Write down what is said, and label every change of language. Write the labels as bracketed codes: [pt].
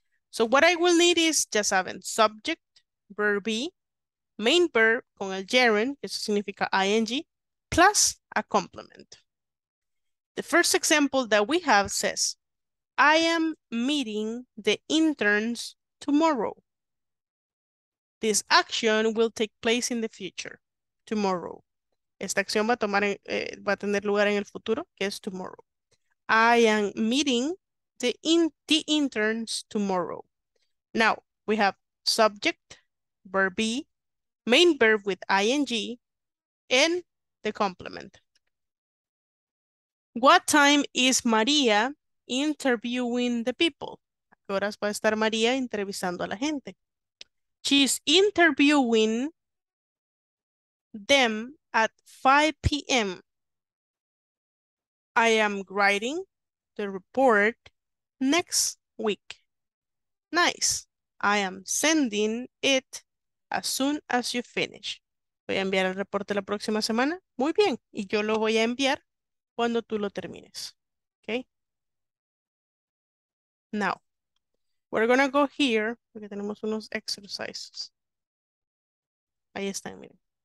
[en] So what I will need is, [es] ya saben, [en] subject, verb be, main verb [es] con el gerund, que eso significa ing, [en] plus a complement. The first example that we have says, I am meeting the interns tomorrow. This action will take place in the future. Tomorrow. [es] Esta acción va a tomar, va a tener lugar en el futuro, que es tomorrow. [en] I am meeting the interns tomorrow. Now, we have subject, verb be, main verb with ing, and the complement. What time is Maria interviewing the people? [es] ¿A qué horas va a estar Maria entrevistando a la gente? [en] She's interviewing them at 5 p.m. I am writing the report next week. Nice. I am sending it as soon as you finish. [es] Voy a enviar el reporte la próxima semana. Muy bien. Y yo lo voy a enviar cuando tú lo termines. [en] Okay. Now. We're going to go here, [es] porque tenemos unos exercises. Ahí están, miren.